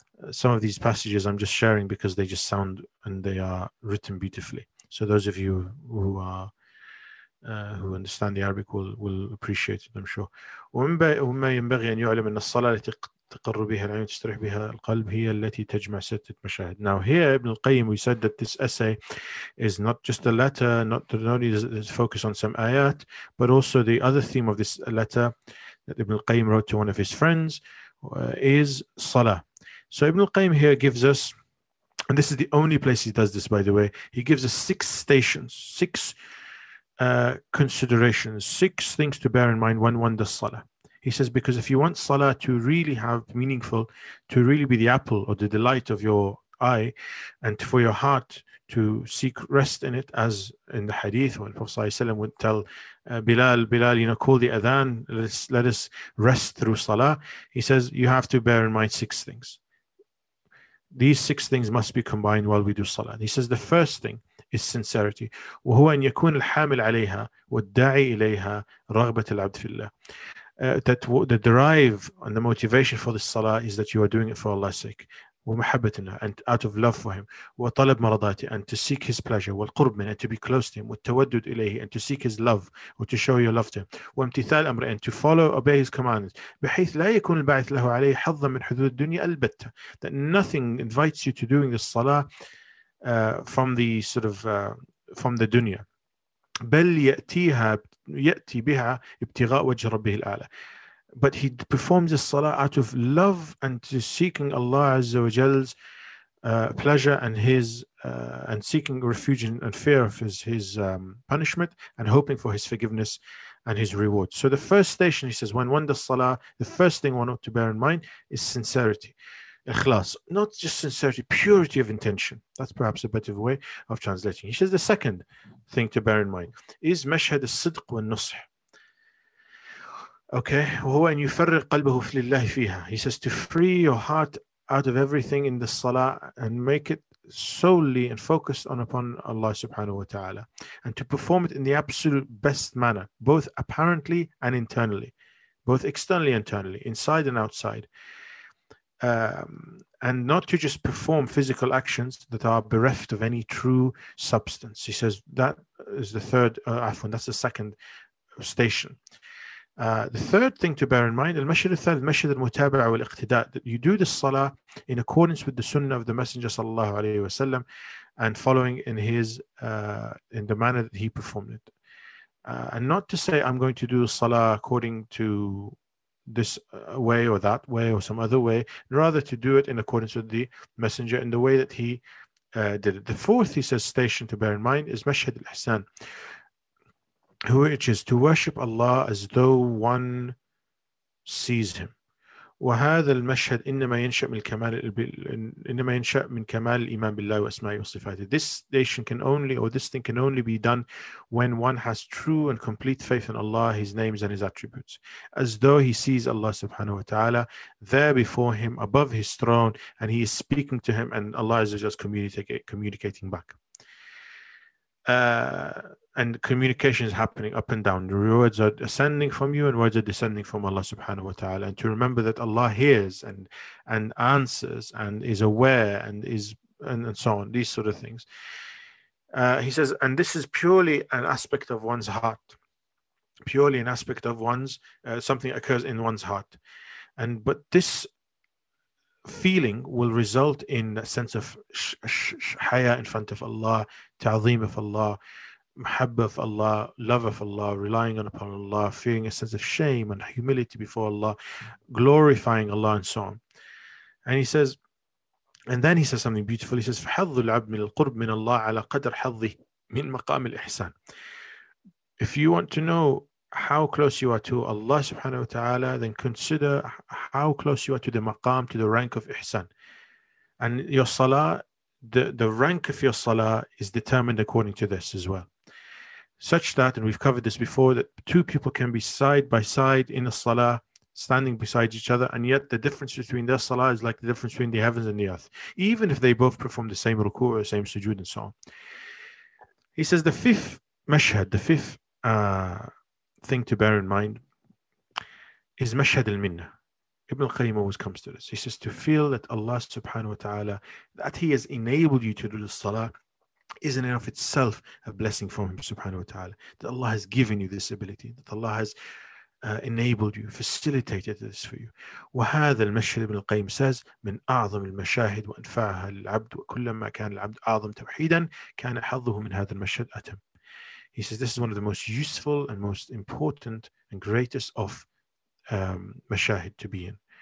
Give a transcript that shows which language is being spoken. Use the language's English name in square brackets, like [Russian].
[English] Some of these passages I'm just sharing because they just sound and they are written beautifully. So those of you who are who understand the Arabic will appreciate it, I'm sure. [Arabic] وما ينبغي أن يعلم أن الصلاة التي تقر بها العين تستريح بها القلب هي التي تجمع ستة مشاهد. [English] Now here Ibn al-Qayyim, we said that this essay is not just a letter, not only does it focus on some ayat, but also the other theme of this letter that Ibn al-Qayyim wrote to one of his friends is salah. So Ibn al-Qayyim here gives us, and this is the only place he does this, by the way, he gives us six stations, six considerations, six things to bear in mind when one does salah. He says, because if you want salah to really have meaningful, to really be the apple or the delight of your eye, and for your heart to seek rest in it, as in the hadith, when Prophet ﷺ would tell Bilal, call the adhan, let us rest through salah. He says, you have to bear in mind six things. These six things must be combined while we do salah. He says the first thing is sincerity. [Arabic] وهو أن يكون الحامل عليها والداعي إليها رغبة العبد في الله. [English] That the drive and the motivation for this salah is that you are doing it for Allah's sake. [Arabic] ومحبتنا [English] and out of love for Him. [Arabic] وطلب مرضاته [English] and to seek His pleasure. [Arabic] والقرب منه [English] and to be close to Him. [Arabic] والتودد إليه [English] and to seek His love or to show your love to Him. [Arabic] وامتثال أمره [English] and to follow, obey His commands. [Arabic] بحيث لا يكون البعث له عليه حظا من حدود الدنيا البتة. [English] That nothing invites you to doing this salah from the dunya. [Arabic] بل يأتيها يأتي بها ابتغاء وجه ربه الأعلى. [English] But he performs the salah out of love and to seeking Allah Azza wa Jal's pleasure and his and seeking refuge and fear of his punishment and hoping for his forgiveness and his reward. So the first station, he says, when one does salah, the first thing one ought to bear in mind is sincerity, ikhlas. Not just sincerity, purity of intention. That's perhaps a better way of translating. He says the second thing to bear in mind is mashhad al-sidq wa al-nusih. [Arabic] Okay, وهو أن يفرغ قلبه لله فيها. [English] He says to free your heart out of everything in the salah and make it solely and focused on upon Allah subhanahu wa ta'ala, and to perform it in the absolute best manner, both apparently and internally, both externally and internally, inside and outside. And not to just perform physical actions that are bereft of any true substance. He says that is the third afwan, that's the second station. The third thing to bear in mind, al-mashhad al-thalith, mashhad al-mutaba'a wal-iqtida', that you do the salah in accordance with the sunnah of the Messenger sallallahu alayhi wa sallam and following in his in the manner that he performed it. And not to say I'm going to do the salah according to this way or that way or some other way, rather to do it in accordance with the Messenger in the way that he did it. The fourth, he says, station to bear in mind is mashhad al-ihsan, which is to worship Allah as though one sees Him. [Arabic] وهذا المشهد إنما ينشأ من كمال إنما ينشأ من كمال الإيمان بالله وأسمائه وصفاته. [English] This station can only, or this thing can only be done when one has true and complete faith in Allah, His names and His attributes, as though he sees Allah subhanahu wa ta'ala there before him, above his throne, and he is speaking to him, and Allah is just communicating back. And communication is happening up and down. Your words are ascending from you and words are descending from Allah subhanahu wa ta'ala. And to remember that Allah hears and answers and is aware and is and so on, these sort of things. He says, and this is purely an aspect of one's heart. Purely an aspect of one's, something occurs in one's heart. And but this feeling will result in a sense of haya in front of Allah, ta'zeem of Allah, muhabba of Allah, love of Allah, relying upon Allah, feeling a sense of shame and humility before Allah, glorifying Allah, and so on. And he says, and then he says something beautiful. He says, [Arabic] فَحَظُّ الْعَبْدِ مِنَ الْقُرْبِ مِنَ اللَّهِ عَلَى قَدْرِ حَظِّهِ مِنْ مَقَامِ الْإِحْسَانِ. [English] If you want to know how close you are to Allah subhanahu wa ta'ala, then consider how close you are to the maqam, to the rank of ihsan. And your salah, the rank of your salah is determined according to this as well. Such that, and we've covered this before, that two people can be side by side in a salah, standing beside each other, and yet the difference between their salah is like the difference between the heavens and the earth, even if they both perform the same ruku' or the same sujood and so on. He says the fifth mashhad, the fifth thing to bear in mind is mashhad al-minna. Ibn al-Qayyim always comes to this. He says to feel that Allah subhanahu wa ta'ala, that He has enabled you to do the salah, is in and of itself a blessing from Him subhanahu wa ta'ala. That Allah has given you this ability, that Allah has enabled you, facilitated this for you. [Arabic] وهذا المشهد ابن القيم [English] says [Arabic] من أعظم المشاهد وأنفعها للعبد وكلما كان العبد أعظم توحيدا كان حظه من هذا المشهد أتم. [English] He says this is one of the most useful and most important and greatest of mashahid to be in.